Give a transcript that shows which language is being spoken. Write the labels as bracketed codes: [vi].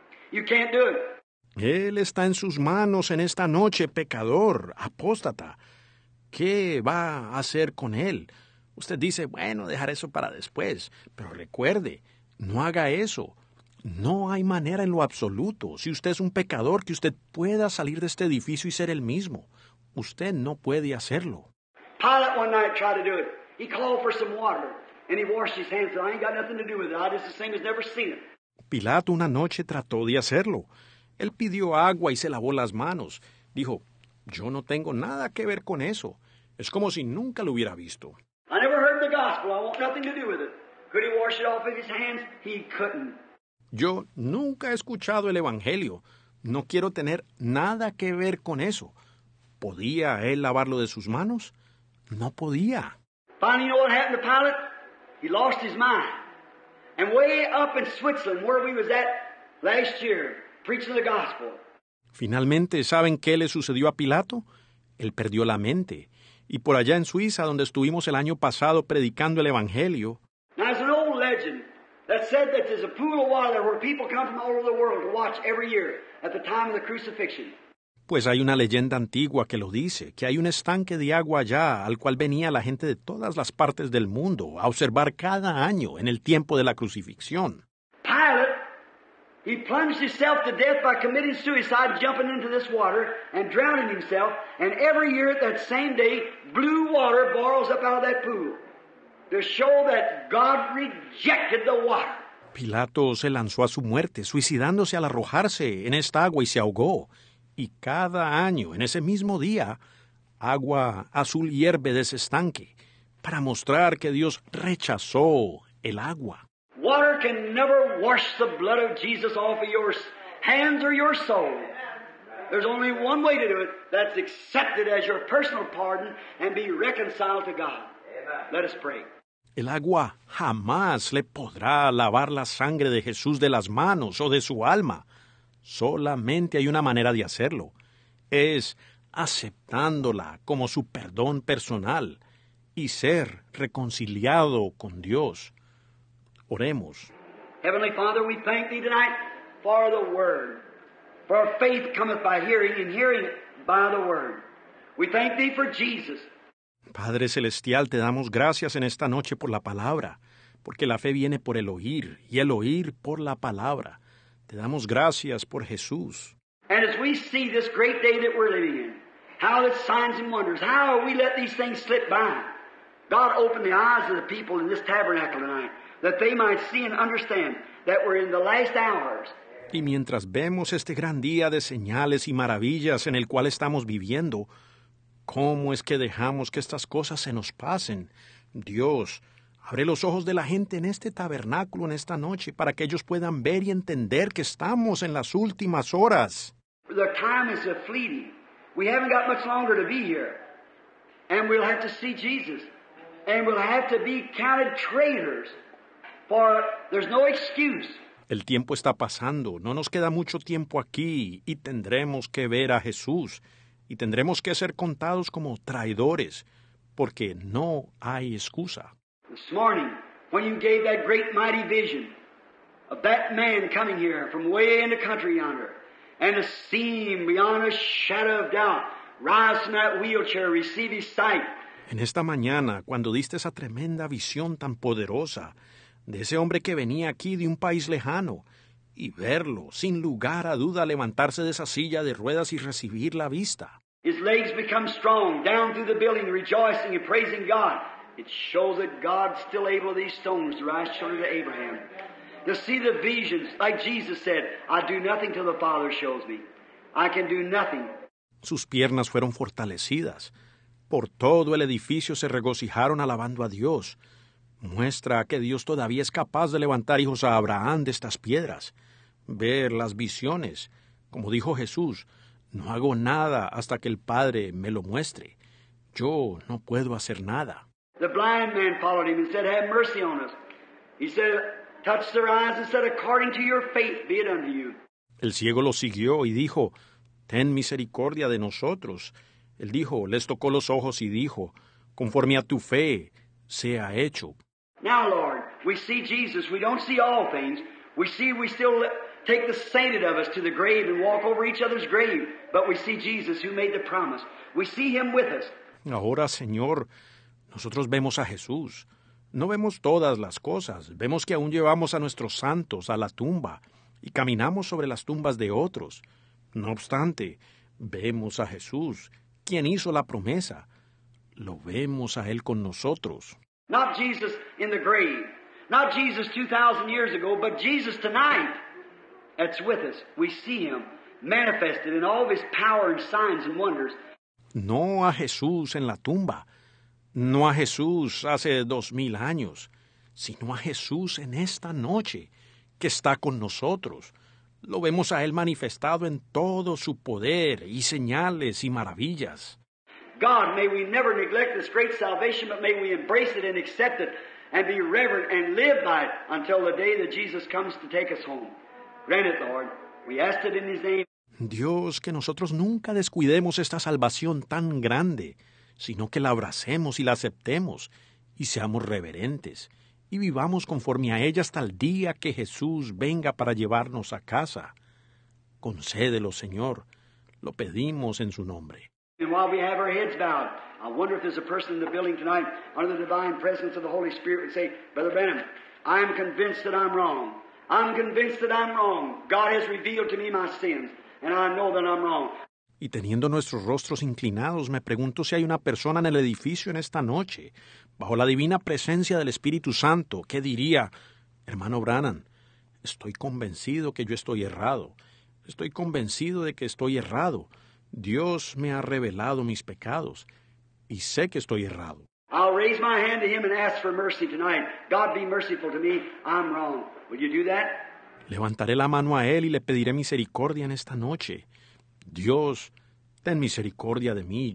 [en] You can't do it. [es] Él está en sus manos en esta noche, pecador, apóstata. ¿Qué va a hacer con él? Usted dice, bueno, dejar eso para después. Pero recuerde, no haga eso. No hay manera en lo absoluto. Si usted es un pecador, que usted pueda salir de este edificio y ser el mismo. Usted no puede hacerlo. [en] Pilate one night tried to do it. He called for some water and he washed his hands. And I ain't got nothing to do with it. I just the same as never seen it. [es] Pilato una noche trató de hacerlo. Él pidió agua y se lavó las manos. Dijo, yo no tengo nada que ver con eso. Es como si nunca lo hubiera visto. [en] I never heard the gospel. I want nothing to do with it. Could he wash it off with his hands? He couldn't. [es] Yo nunca he escuchado el Evangelio. No quiero tener nada que ver con eso. ¿Podía él lavarlo de sus manos? No podía. [en] Finally, you know what happened to Pilate? He lost his mind. And way up in Switzerland, where we was at last year, preaching the gospel. [es] Finalmente, ¿saben qué le sucedió a Pilato? Él perdió la mente. Y por allá en Suiza, donde estuvimos el año pasado predicando el Evangelio. [en] Now, there's an old legend that said that there's a pool of water where people come from all over the world to watch every year at the time of the crucifixion. [es] Pues hay una leyenda antigua que lo dice, que hay un estanque de agua allá al cual venía la gente de todas las partes del mundo a observar cada año en el tiempo de la crucifixión. [en] Pilate, he plunged himself to death by committing suicide, jumping into this water and drowning himself, and every year at that same day, blue water boils up out of that pool to show that God rejected the water. [es] Pilato se lanzó a su muerte, suicidándose al arrojarse en esta agua y se ahogó. Y cada año, en ese mismo día, agua azul hierve de ese estanque para mostrar que Dios rechazó el agua. [en] Water can never wash the blood of Jesus off of your hands or your soul. There's only one way to do it. That's accepted as your personal pardon and be reconciled to God. Let us pray. [es] El agua jamás le podrá lavar la sangre de Jesús de las manos o de su alma. Solamente hay una manera de hacerlo. Es aceptándola como su perdón personal y ser reconciliado con Dios. Oremos. [en] Heavenly Father, we thank thee tonight for the word. For faith cometh by hearing, and hearing by the word. We thank thee for Jesus. [es] Padre Celestial, te damos gracias en esta noche por la palabra, porque la fe viene por el oír, y el oír por la palabra. Te damos gracias por Jesús. [en] And as we see this great day that we're living in, how the signs and wonders, how we let these things slip by. God, open the eyes of the people in this tabernacle tonight, that they might see and understand that we're in the last hours. [es] Y mientras vemos este gran día de señales y maravillas en el cual estamos viviendo, ¿cómo es que dejamos que estas cosas se nos pasen? Dios, abre los ojos de la gente en este tabernáculo en esta noche para que ellos puedan ver y entender que estamos en las últimas horas. [en] The time is fleeting. We haven't got much longer to be here. And we'll have to see Jesus. And we'll have to be counted traitors. For there's no excuse. [es] El tiempo está pasando. No nos queda mucho tiempo aquí. Y tendremos que ver a Jesús. Y tendremos que ser contados como traidores. Porque no hay excusa. [en] This morning, when you gave that great mighty vision of that man coming here from way in the country yonder, and a seam beyond a shadow of doubt, rise from that wheelchair, receive his sight. [es] En esta mañana, cuando diste esa tremenda visión tan poderosa de ese hombre que venía aquí de un país lejano, y verlo sin lugar a duda levantarse de esa silla de ruedas y recibir la vista. [en] His legs become strong, down through the building, rejoicing and praising God. It shows that God's still able these stones to rise children to Abraham. To see the visions, like Jesus said, I do nothing till the Father shows me. I can do nothing. [es] Sus piernas fueron fortalecidas. Por todo el edificio se regocijaron alabando a Dios. Muestra que Dios todavía es capaz de levantar hijos a Abraham de estas piedras. Ver las visiones. Como dijo Jesús, no hago nada hasta que el Padre me lo muestre. Yo no puedo hacer nada. [en] The blind man followed him and said, have mercy on us. He said, touched their eyes and said, "According to your faith, be it unto you." [es] El ciego lo siguió y dijo, "Ten misericordia de nosotros." Él dijo, les tocó los ojos y dijo, "Conforme a tu fe, sea hecho." [en] Now, Lord, we see Jesus. We don't see all things. We still take the sainted of us to the grave and walk over each other's grave. But we see Jesus who made the promise. We see him with us. [es] Ahora, Señor, nosotros vemos a Jesús. No vemos todas las cosas. Vemos que aún llevamos a nuestros santos a la tumba y caminamos sobre las tumbas de otros. No obstante, vemos a Jesús, quien hizo la promesa. Lo vemos a Él con nosotros. [en] Not Jesus in the grave. Not Jesus 2,000 years ago, but Jesus tonight. That's with us. We see him manifested in all of his power and signs and wonders. [es] No a Jesús en la tumba. No a Jesús hace 2,000 años. Sino a Jesús en esta noche, que está con nosotros. Lo vemos a él manifestado en todo su poder y señales y maravillas. [en] God, may we never neglect this great salvation, but may we embrace it and accept it and be reverent and live by it until the day that Jesus comes to take us home. Grant it, Lord. We ask it in his name. [es] Dios, que nosotros nunca descuidemos esta salvación tan grande, sino que la abracemos y la aceptemos y seamos reverentes y vivamos conforme a ella hasta el día que Jesús venga para llevarnos a casa. Concédelo, Señor. Lo pedimos en su nombre. [en] And while we have our heads bowed, I wonder if there's a person in the building tonight under the divine presence of the Holy Spirit would say, "Brother Branham, I am convinced that I'm wrong. I'm convinced that I'm wrong. God has revealed to me my sins, and I know that I'm wrong." [es] Y teniendo nuestros rostros inclinados, me pregunto si hay una persona en el edificio en esta noche, bajo la divina presencia del Espíritu Santo, que diría, "Hermano Branham, estoy convencido que yo estoy errado. Estoy convencido de que estoy errado. Dios me ha revelado mis pecados, y sé que estoy errado." [en] I'll raise my hand to him and ask for mercy tonight. God, be merciful to me. I'm wrong. Will you do that? [es] Levantaré la mano a él y le pediré misericordia en esta noche. Dios, ten misericordia de mí.